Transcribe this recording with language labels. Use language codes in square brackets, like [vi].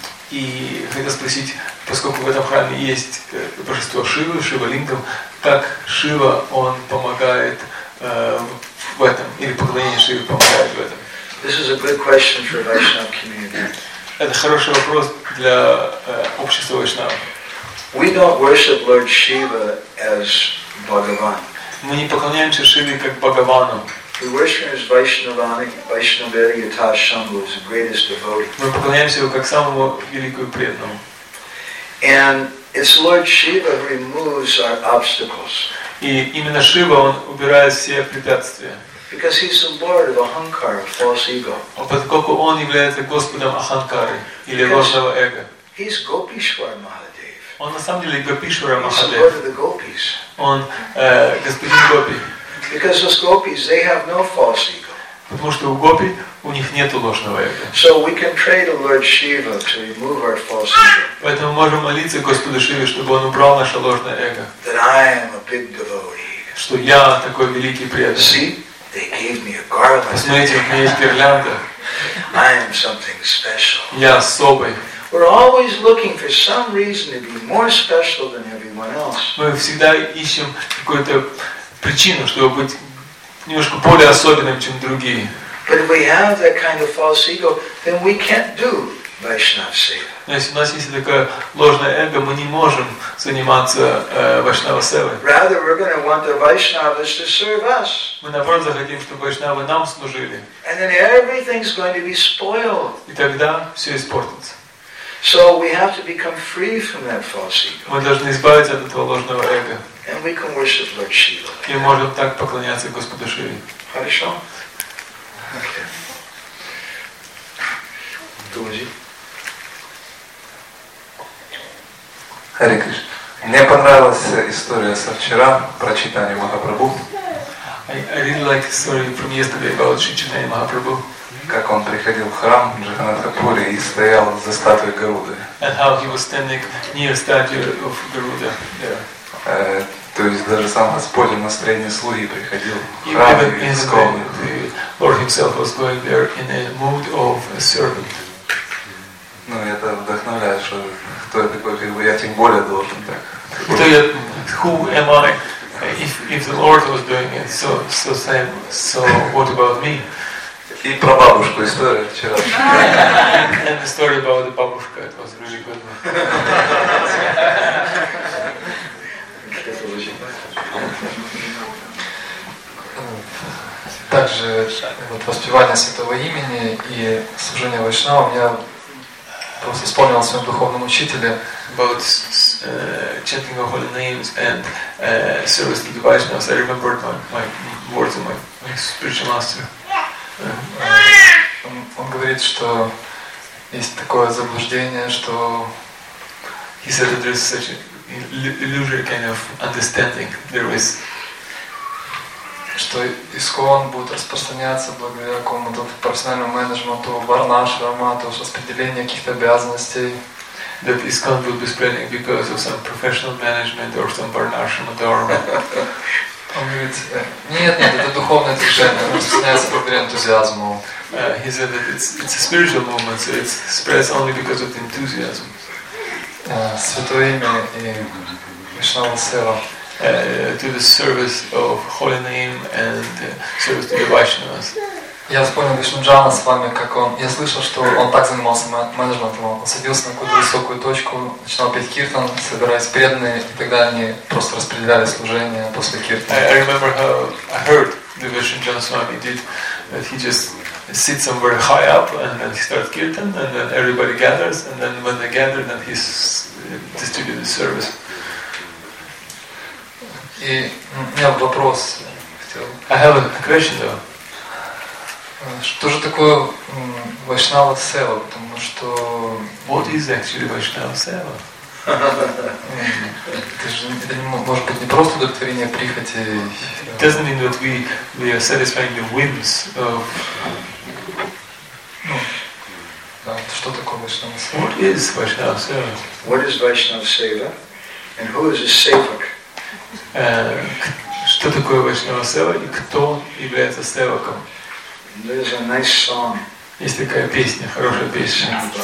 [ru] И хотел спросить, поскольку в этом храме есть божество Шивы, Шивалингам, как Шива, он помогает в этом, или поклонение Шиве помогает в этом? [en] This is a good question for Vaishnava community. [ru] Это хороший вопрос для общества Вайшнава. [en] We don't worship Lord Shiva as Bhagavan. [ru] Мы не поклоняемся Шиве как Бхагавану. [en] We worship as Vaishnavani, Vaishnavari Yata Shambhu, who is the greatest devotee. [ru] Мы поклоняемся его как самому великому преданному. [en] And it's Lord Shiva who removes our obstacles. [ru] И именно Шива, он убирает все препятствия. [en] Because he's the lord of ahankara, false ego. [ru] Поскольку он является господом ахамкары или ложного эго. [en] He's Gopishwar Mahadev. [ru] Он на самом деле Гопишвара Махадев. Он господин Гопи. [en] Because those gopis, they have no false ego. [ru] Потому что у Гопи у них нету ложного эго. [en] So we can pray to Lord Shiva to remove our false ego. [ru] Поэтому мы можем молиться Господу Шиве, чтобы он убрал наше ложное эго. [en] That I am a big devotee. [ru] Что я такой великий преданный. [en] See, they gave me a garland. [ru] Посмотрите, у меня есть гирлянда. [en] I am something special. [ru] Я особый. [en] We're always looking for some reason to be more special than everyone else. [ru] Мы всегда ищем какую-то причину, чтобы быть немножко более особенным, чем другие. [en] But if we have that kind of false ego, then we can't do Vaishnava Seva. [ru] Если у нас есть такое ложное эго, мы не можем заниматься Vaishnava Seva. [en] Rather, we're going to want the Vaishnavas to serve us. [ru] Мы наоборот захотим, чтобы Vaishnava нам служили. [en] And then everything's going to be spoiled. [ru] И тогда все испортится. [en] So we have to become free from that false ego. [ru] Мы должны избавиться от этого ложного эго. [en] And we can worship Lord Shiva. [ru] И можем так поклоняться Господу Шиве. Хорошо. Хари Кришна. Мне понравилась история со вчера про читание Махапрабху. [en] I really like the story from yesterday about Chaitanya Mahaprabhu. [ru] Как он приходил в храм в Джаганатхапуре и стоял за статуей Гаруды. [en] And how he was standing near statue of Garuda. [ru] То есть даже сам Господь в настроении слуги приходил в храм и искал. [en] The Lord himself was going there in a mood of a servant. [ru] Ну, это вдохновляет, что кто я такой, как бы я тем более должен так. [en] Who am I? If the Lord was doing it, so same. So what about me? [ru] И про бабушку история вчера. [en] And the story about the бабушка, it was really good. [ru] Также вот воспевание святого имени и служение Вайшнавам, я просто вспомнил о своем духовном учителе. [en] About chanting the holy names and service to the Vaishnavas, I remembered my words of my spiritual master. [ru] Он говорит, что есть такое заблуждение, что [en] he said that there is such an illusory kind of understanding there is, [ru] что ИСККОН будет распространяться благодаря какому-то профессиональному менеджменту, варнашрама, то есть распределение каких-то обязанностей. [en] That ИСККОН will be spreading because of some professional management or some варнашрама dharma. [ru] Он говорит, нет, это духовное движение, оно распространяется благодаря энтузиазму. [en] He said that it's a spiritual movement, so it spreads only because of the enthusiasm. [ru] Святое имя и Вайшнава Сева. [en] To the service of holy name and service to the Vaishnavas. [ru] Я вспомнил Вишнуджана с вами, как он, я слышал, что он так занимался менеджментом, он садился на какую-то высокую точку, начинал петь киртан, собираясь преданные, и тогда они просто распределяли служение после киртана. [en] I remember how I heard the Vishnuchana Swami did, that he just sits somewhere high up, and then he starts kirtan, and then everybody gathers, and then when they gather, then he distributes the service. [ru] И у меня вопрос хотел. [en] I have a question though. [ru] Что же такое Вайшнава Сева? Потому что [en] what is actually Вайшнава Сева? [ru] Это не может быть не просто удовлетворение прихоти. [en] It doesn't mean that we are satisfying the whims of. [ru] Что такое Вайшнава сева? [en] What is Vaishnava seva? What is Vaishnava seva? And who is a sevak? [ru] Что такое Вайшнава сева и кто является севаком? [en] There is a nice song. [ru] Есть такая песня, хорошая песня.